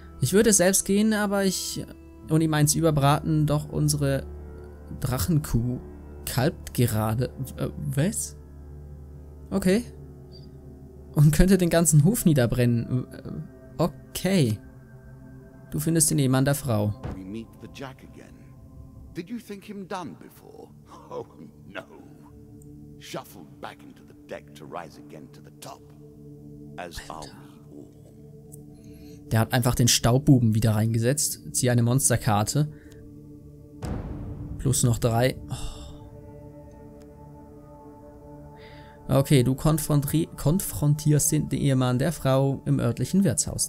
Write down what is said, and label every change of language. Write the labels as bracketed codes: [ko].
[de] Ich würde selbst gehen, aber ich... Und ihm eins überbraten, doch unsere Drachenkuh kalbt gerade... was? Okay. Und könnte den ganzen Hof niederbrennen. Okay. Du findest den Ehemann der Frau. [en] We meet the Jack again. Did you think him done before? Oh no. Shuffled back into the deck to rise again to the top. As are we. [de] Der hat einfach den Staubbuben wieder reingesetzt. Zieh eine Monsterkarte. Plus noch drei. Okay, du konfrontierst den Ehemann der Frau im örtlichen Wirtshaus.